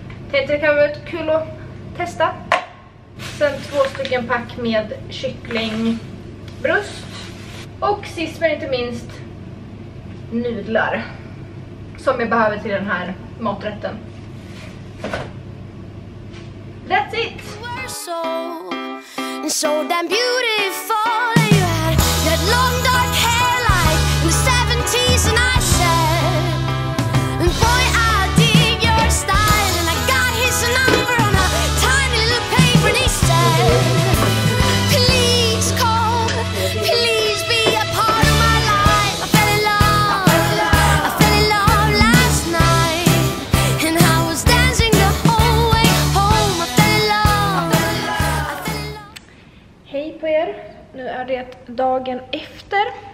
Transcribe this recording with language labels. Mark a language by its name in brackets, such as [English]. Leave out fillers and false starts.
[Swedish] Tänkte det kan vara kul att testa. Sen två stycken pack med kycklingbröst. Och sist men inte minst, nudlar. Som jag behöver till den här maträtten. [English] That's it. You were so, and so damn beautiful. You had that long dark hair like in the 70s, and I said, and boy, I dig your style. And I got his number on a tiny little paper, and he said, please call, please be a part of my life. I fell in love, I fell in love last night, and I was dancing the whole way home. I fell in love, I fell in love. [Swedish] Hej på er, nu är det dagen efter.